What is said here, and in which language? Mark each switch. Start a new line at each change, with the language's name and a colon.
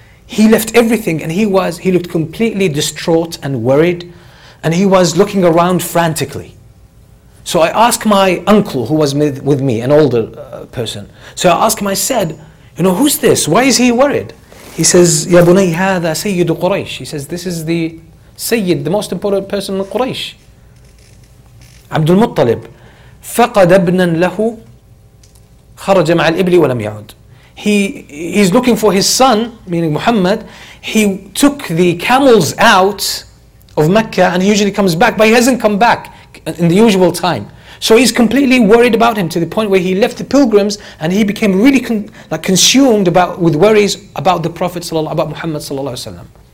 English: He left everything and he looked completely distraught and worried, and he was looking around frantically. So I asked my uncle, who was with me, an older person. So I asked him, I said, you know, who's this? Why is he worried?" He says,
Arabic: "Ya bunay, hadha Sayyid Quraysh."
English: He says, "This is the Sayyid, the most important person in Quraysh."
Arabic: عبد المطلب فقد ابنا له خرج مع الإبل ولم يعد.
English: He's looking for his son, meaning Muhammad. He took the camels out of Mecca and he usually comes back, but he hasn't come back in the usual time. So he's completely worried about him to the point where he left the pilgrims and he became really consumed about with worries about the Prophet about Muhammad sallallahu alaihi wasallam.